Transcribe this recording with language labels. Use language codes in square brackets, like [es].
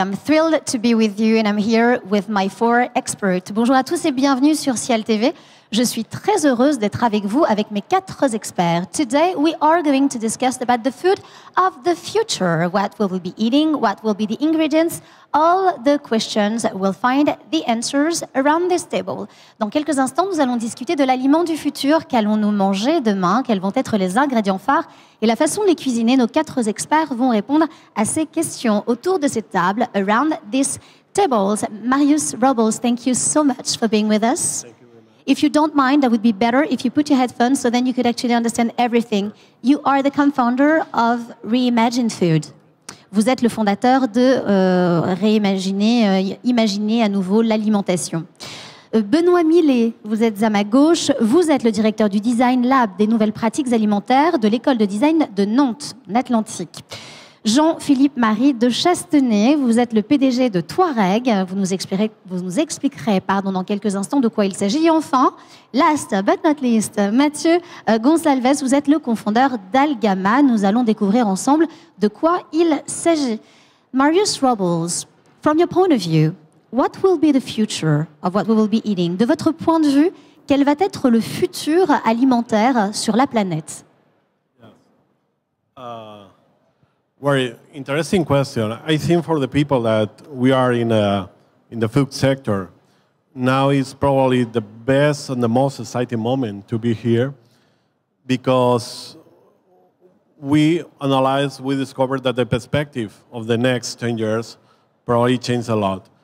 [en] I'm thrilled to be with you and I'm here with my four experts. [fr] Bonjour à tous et bienvenue sur CIAL TV. Je suis très heureuse d'être avec vous avec mes quatre experts. [en] Today we are going to discuss about the food of the future. What will we be eating? What will be the ingredients? All the questions will find the answers around this table. [fr] Dans quelques instants, nous allons discuter de l'aliment du futur. Qu'allons-nous manger demain? Quels vont être les ingrédients phares? Et la façon de les cuisiner, nos quatre experts vont répondre à ces questions autour de cette table, [en] around this table. Marius Robles, thank you so much for being with us. If you don't mind, that would be better if you put your headphones so then you could actually understand everything. You are the co-founder of Reimagine Food. [fr] Vous êtes le fondateur de imaginer à nouveau l'alimentation. Benoît Millet, vous êtes à ma gauche. Vous êtes le directeur du Design Lab des nouvelles pratiques alimentaires de l'école de design de Nantes, en Atlantique. Jean-Philippe Marie de Chastenay, vous êtes le PDG de Touareg. Vous nous expliquerez, dans quelques instants de quoi il s'agit. Et enfin, [en] last but not least, [fr] Mathieu Gonsalves, vous êtes le cofondateur d'Algama. Nous allons découvrir ensemble de quoi il s'agit. [en] Marius Robles, from your point of view, what will be the future of what we will be eating? [fr] De votre point de vue, quel va être le futur alimentaire sur la planète? [en] Very interesting question. I think for the people that we are in the food sector, now is probably the best and the most exciting moment to be here, because we analyzed, we discovered that the perspective of the next 10 years probably changed a lot.